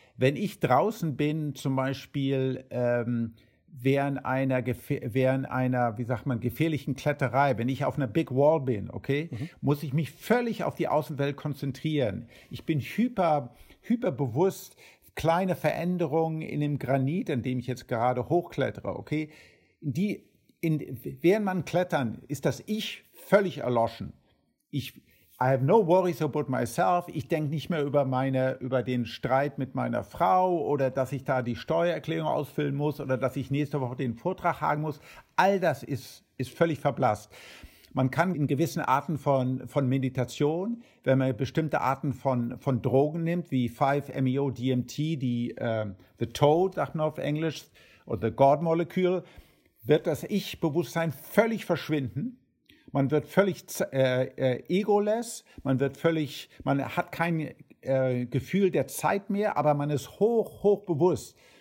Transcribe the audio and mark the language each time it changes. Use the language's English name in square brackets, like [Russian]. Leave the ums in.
[German] Wenn ich draußen bin, zum Beispiel ähm, während einer, während einer, wie sagt man, gefährlichen Kletterei, wenn ich auf einer Big Wall bin, okay, mhm. muss ich mich völlig auf die Außenwelt konzentrieren. Ich bin hyper, hyperbewusst. Kleine Veränderungen in dem Granit, an dem ich jetzt gerade hochklettere, okay, die, in, während man klettern, ist das Ich völlig erloschen. Ich, [English] I have no worries about myself. [German] Ich denke nicht mehr über meine, über den Streit mit meiner Frau oder dass ich da die Steuererklärung ausfüllen muss oder dass ich nächste Woche den Vortrag haben muss. All das ist, ist völlig verblasst. Man kann in gewissen Arten von, von Meditation, wenn man bestimmte Arten von, von Drogen nimmt, wie 5-MeO-DMT, die äh, The Toad, sagt man auf Englisch, oder The God Molecule, wird das Ich-Bewusstsein völlig verschwinden man wird völlig äh, äh, egoless, man wird völlig, man hat kein äh, Gefühl der Zeit mehr, aber man ist hoch, hoch bewusst.